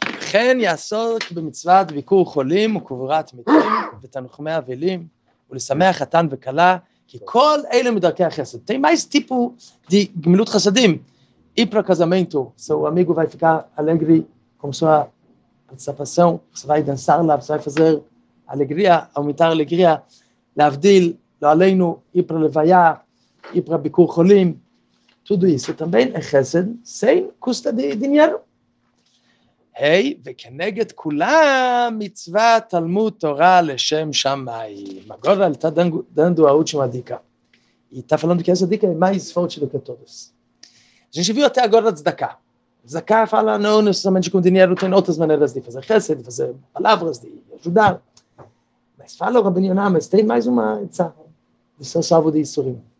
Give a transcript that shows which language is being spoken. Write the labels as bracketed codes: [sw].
[he] Chen yasok b'mitzvad vikur cholim, וקבורת מתים, ותנחומי אבלים, ולשמח חתן וכלה, כי כל אלה מדרכי החסד. [pt] Tem mais tipo de gmilut chassadim. Ir para casamento, seu amigo vai ficar alegre com sua participação, você vai dançar lá, você vai fazer alegria, aumentar a alegria, [he] lavdil, lo aleinu, [pt] ir para levaiá, ir para bikur cholim, tudo isso também é chesed, sem custa de dinheiro. [he] Hei, וכנגד כולם, מצווה תלמוד תורה לשם שמיים. [pt] Agora ele está dando a última dica. E está falando que essa dica é mais forte do que todos. A gente viu até agora a tzedakah. Tzedakah fala, não necessariamente com dinheiro, tem outras maneiras de fazer chesed, de fazer palavras, de ajudar. Mas fala o Rabino Yonah, mas tem mais uma etzah de ser salvo de Yisurim.